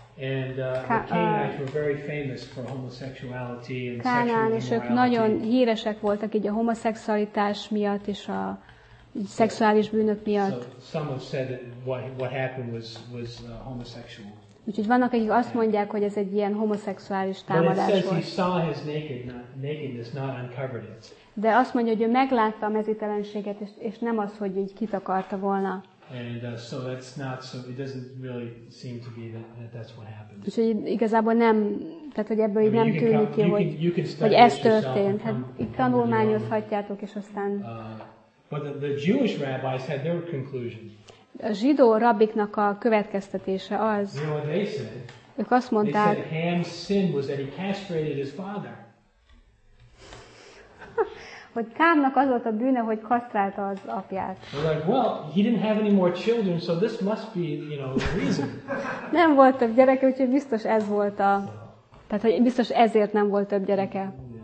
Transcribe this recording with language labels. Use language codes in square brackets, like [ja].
[en] And the Canaanites were very famous for homosexuality and sexual immorality. [hu] És ők nagyon híresek voltak így a homoszexualitás miatt és a szexuális bűnök miatt. [en] So some have said that what happened was homosexual. [hu] Úgyhogy vannak, akik azt mondják, hogy ez egy ilyen homoszexuális támadás volt. [en] But it says he saw his nakedness, not uncovered it. [hu] De azt mondja, hogy ő meglátta a mezítelenséget, és nem az, hogy így kitakarta volna. [en] And so that's not so it doesn't really seem to be that that's what happened. [hu] Úgyhogy igazából nem, tehát hogy ebből így nem tűnik ki, hogy ez történt. Hát itt tanulmányozhatjátok, és aztán [en] but the Jewish rabbis had their conclusion. [hu] A zsidó rabbiknak a következtetése az, [en] you know what they said? [hu] Ők azt mondták, [en] they said Ham's sin was that he castrated his father. [hu] Hogy Kámnak az volt a bűne, hogy kasztrálta az apját. [en] He didn't have any more children, so this must be, the reason. [hu] Nem volt több gyereke, úgyhogy biztos ez volt a. Tehát hogy biztos ezért nem volt több gyereke.